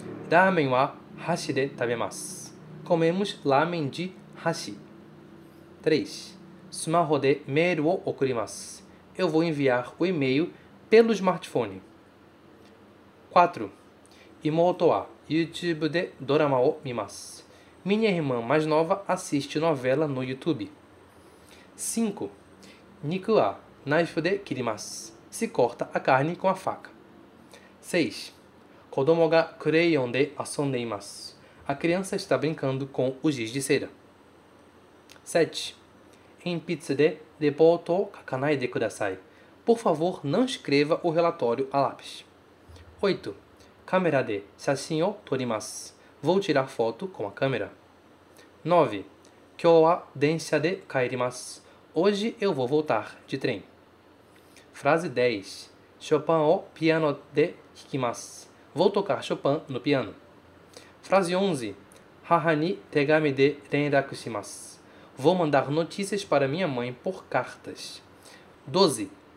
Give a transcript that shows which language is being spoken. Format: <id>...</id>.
<ja>ラーメンは箸で食べます。</ja> <pt>Comemos</pt> <ja>ラーメンで箸。 3。スマホでメールを送ります。</ja> <pt>Eu vou enviar o e-mail pelo smartphone. 4。</pt> <ja>妹は YouTube でドラマを見ます。</ja> <pt>Minha irmã mais nova assiste novela no YouTube. 5。</pt> <ja>肉はナイフで切ります。</ja> <pt>Se corta a carne com a faca. 6.</pt> <ja>子供がクレヨンで遊んでいます。</ja> <pt>A criança está brincando com o giz de cera. 7.</pt> <ja>鉛筆でレポートを書かないでください。</ja> <pt>Por favor, não escreva o relatório a lápis. 8.</pt> <ja>カメラで写真を撮ります。</ja> <pt>Vou tirar foto com a câmera. 9.</pt> <ja>今日は電車で帰ります。</ja> <pt>Hoje eu vou voltar de trem. Frase 10.</pt> <ja>Chopin o piano de hikimasu.</ja> <pt>Vou tocar Chopin no piano. Frase 11.</pt> <ja>Hahani tegami de renraku shimasu.</ja> <pt>Vou mandar notícias para minha mãe por cartas. 12.</pt>